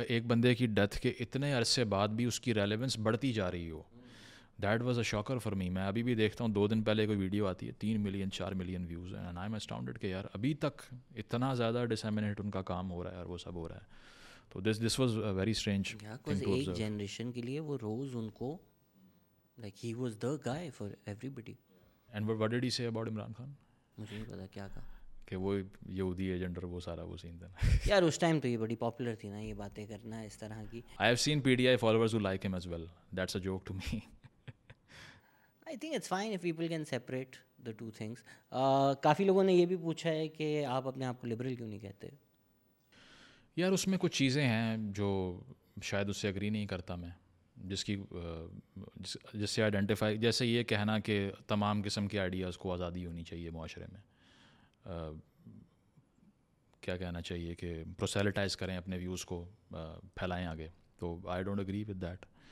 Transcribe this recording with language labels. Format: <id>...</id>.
<hi>एक बंदे की death के इतने अरसे बाद भी उसकी relevance बढ़ती जा रही हो,</hi> <en>that was a shocker for me.</en> <hi>मैं अभी भी देखता हूँ, दो दिन पहले कोई वीडियो आती है,</hi> <en>3 million, 4 million views and I'm astounded</en> <hi>के यार अभी तक इतना ज़्यादा disseminate उनका काम हो रहा है और वो सब हो रहा है.</hi> <en>तो this was a very strange thing to observe. एक generation</en> <hi>के लिए वो रोज उनको</hi> <en>like he was the guy for everybody. And what did he say about Imran Khan?</en> <hi>मुझे नहीं पता क्या कहा. कि वो यहूदी एजेंडर वो सारा वो सीन था. यार उस टाइम तो ये बड़ी पॉपुलर थी ना ये बातें करना इस तरह की.</hi> <en>I have seen PDI followers who like him as well. That's a joke to me. I think it's fine if people can separate the two things.</en> <hi>काफी लोगों ने ये भी पूछा है कि आप अपने आप को लिबरल क्यों नहीं कहते? यार उसमें कुछ चीजें हैं जो शायद उससे अग्री नहीं करता मैं, जिसकी जिससे आइडेंटिफाई. जैसे ये कहना कि तमाम किस्म के आइडियाज़ को आज़ादी होनी चाहिए मुआशरे में, क्या कहना चाहिए कि प्रोसेलिटाइज करें अपने व्यूज़ को, फैलाएं आगे, तो</hi> <en>I don't agree with that.</en>